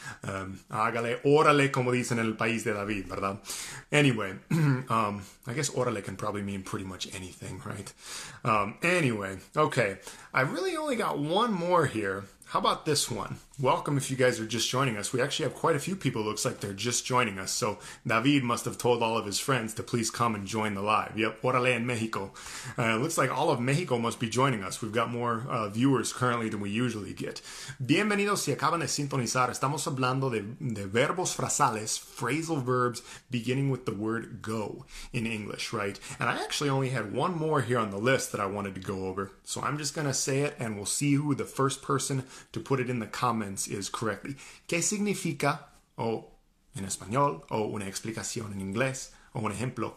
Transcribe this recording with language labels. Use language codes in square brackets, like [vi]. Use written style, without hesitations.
[es] Hágale, órale como dicen en el país de David, ¿verdad? [en] Anyway, I guess órale can probably mean pretty much anything, right? Anyway, okay, I really only got one more here. How about this one? Welcome if you guys are just joining us. We actually have quite a few people, looks like they're just joining us. So David must have told all of his friends to please come and join the live. Yep, [es] órale en México. [en] Looks like all of México must be joining us. We've got more viewers currently than we usually get. [es] Bienvenidos si acaban de sintonizar. Estamos hablando de verbos frasales, [en] phrasal verbs beginning with the word go in English, right? And I actually only had one more here on the list that I wanted to go over. So I'm just gonna say it and we'll see who the first person to put it in the comments is correctly. [es] ¿Qué significa? O en español, o una explicación en inglés, o un ejemplo.